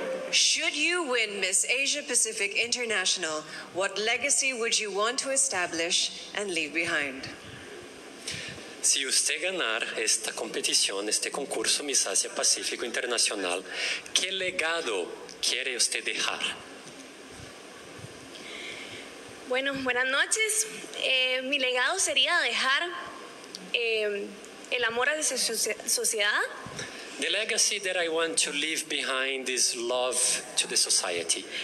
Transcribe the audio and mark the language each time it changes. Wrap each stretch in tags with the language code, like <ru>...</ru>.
<en>Should you win Miss Asia Pacific International, what legacy would you want to establish and leave behind?</en> <pt>Se você ganhar esta competição, este concurso Miss Asia Pacific International, que legado</pt> <es>quiere usted dejar? Bueno, buenas noches. Mi legado sería dejar el amor a esa sociedad.</es> <en>The legacy that I want to leave behind is love to the society.</en>